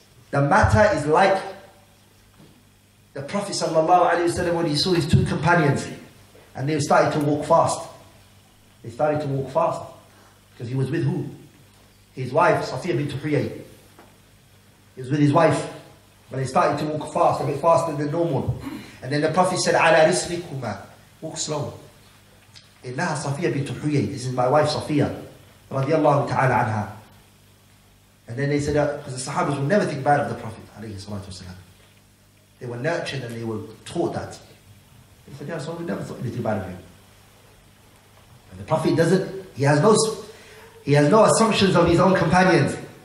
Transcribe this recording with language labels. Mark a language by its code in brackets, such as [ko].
[en] The matter is like the Prophet sallallahu alaihi wasallam when he saw his two companions and they started to walk fast. They started to walk fast because he was with who? His wife, Safiya bint Huyay. He was with his wife, but they started to walk fast, a bit faster than normal. And then the Prophet said, [ar] عَلَى رِسْلِكُمَا, [en] walk slow. [ar] إِنَّهَا صَفِيَ بِنْتُ حُيَيْ, [en] this is my wife Safiya, [ar] رضي الله تعالى عنها. [en] And then they said, because the Sahabas will never think bad of the Prophet, [ar] عليه الصلاة والسلام. [en] They were nurtured and they were taught that. They said, yeah, so we never thought anything bad of him. And the Prophet doesn't, he has no assumptions of his own companions.